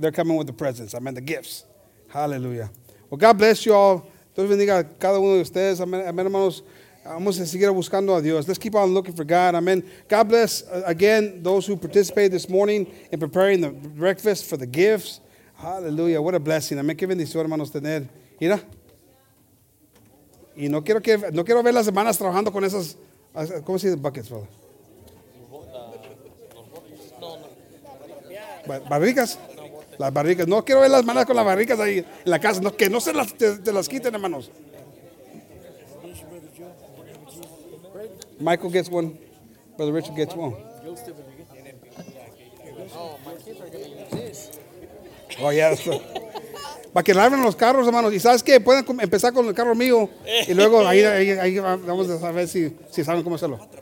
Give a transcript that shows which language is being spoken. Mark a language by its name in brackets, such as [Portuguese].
[English] They're coming with the presents. Amen. The gifts. Hallelujah. Well, God bless you all. [Spanish] Dios bendiga a cada uno de ustedes. Amen, hermanos. Vamos a seguir buscando a Dios. [English] Let's keep on looking for God. Amen. God bless, again, those who participated this morning in preparing the breakfast for the gifts. Hallelujah. What a blessing. Amen. [Spanish] Qué bendición, hermanos, tener. Mira. Y no quiero ver las hermanas trabajando con esas, ¿cómo se dice? [English] Buckets, brother. [Spanish] Barricas. Las barricas. No quiero ver las hermanas con las barricas ahí en la casa. No, que no se las, te las quiten, hermanos. [English] Michael gets one. Brother Richard gets one. Oh, my kids are going to use this. Oh, yes. [Spanish] Para que laven los carros, hermanos. Y sabes que pueden empezar con el carro mío. Y luego ahí vamos a ver si saben cómo hacerlo.